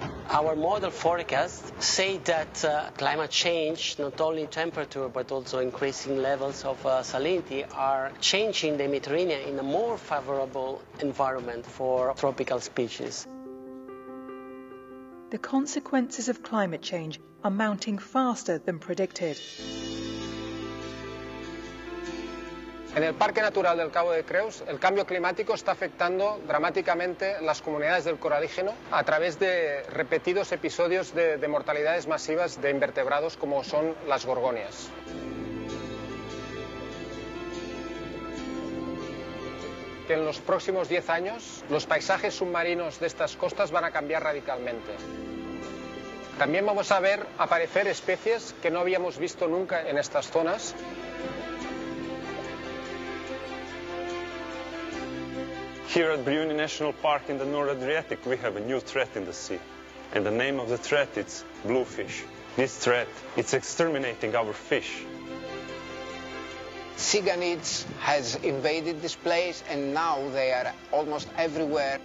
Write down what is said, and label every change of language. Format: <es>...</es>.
<en>Our model forecasts say that climate change, not only temperature, but also increasing levels of salinity, are changing the Mediterranean in a more favorable environment for tropical species. The consequences of climate change are mounting faster than predicted.</en> <es>En el Parque Natural del Cabo de Creus, el cambio climático está afectando dramáticamente las comunidades del coralígeno a través de repetidos episodios de mortalidades masivas de invertebrados como son las gorgonias. Que en los próximos 10 años, los paisajes submarinos de estas costas van a cambiar radicalmente. También vamos a ver aparecer especies que no habíamos visto nunca en estas zonas.</es> <en>Here at Brjuni National Park in the North Adriatic, we have a new threat in the sea. And the name of the threat is bluefish. This threat, it's exterminating our fish. Cyanids has invaded this place and now they are almost everywhere.</en>